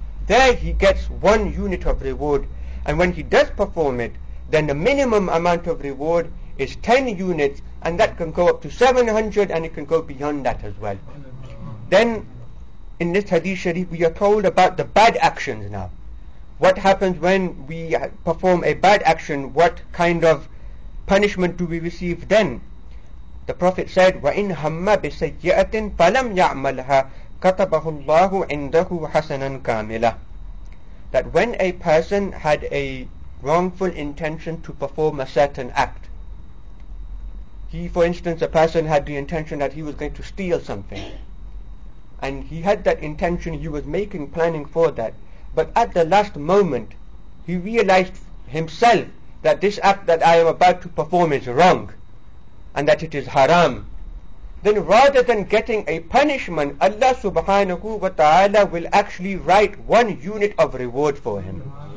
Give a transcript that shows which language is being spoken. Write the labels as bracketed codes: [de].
[en] There he gets one unit of reward. And when he does perform it, then the minimum amount of reward is 10 units, and that can go up to 700, and it can go beyond that as well. Then in this hadith sharif, we are told about the bad actions now. What happens when we perform a bad action? What kind of punishment do we receive then? [ar] The Prophet said, وَإِنْ هَمَّ بِسَيِّئَةٍ فَلَمْ يَعْمَلْهَا كَتَبَهُ اللَّهُ عِنْدَهُ حَسَنًا كَامِلًا. [en] That when a person had a wrongful intention to perform a certain act, he, for instance, a person had the intention that he was going to steal something, and he had that intention, he was making planning for that, but at the last moment he realized himself that this act that I am about to perform is wrong and that it is haram, then rather than getting a punishment, Allah subhanahu wa ta'ala will actually write one unit of reward for him.